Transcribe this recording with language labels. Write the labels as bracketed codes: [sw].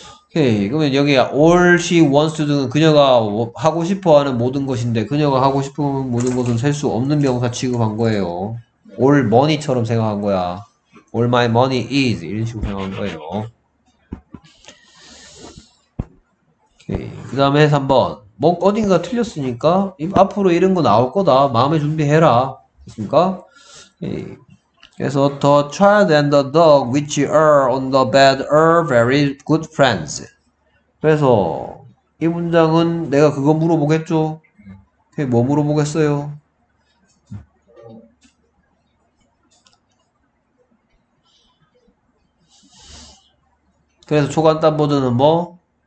[ko] 오케이. 그러면 여기 all she wants to do는 그녀가 하고 싶어하는 모든 것인데 그녀가 하고 싶은 모든 것은 셀수 없는 명사 취급한 거예요. 올 머니처럼 생각한 거야. [en] All my money is [ko] 이런 식으로 생각한 거예요. 오케이. 그다음에 3번. 뭐 어딘가 틀렸으니까 앞으로 이런 거 나올 거다. 마음의 준비해라. 됐습니까? 오케이. [en] 그래서 the child and the dog which are on the bed are very good friends. [ko] 그래서 이 문장은 내가 그거 물어보겠죠. 그게 뭐 물어보겠어요? 그래서 초간 단보드는 뭐?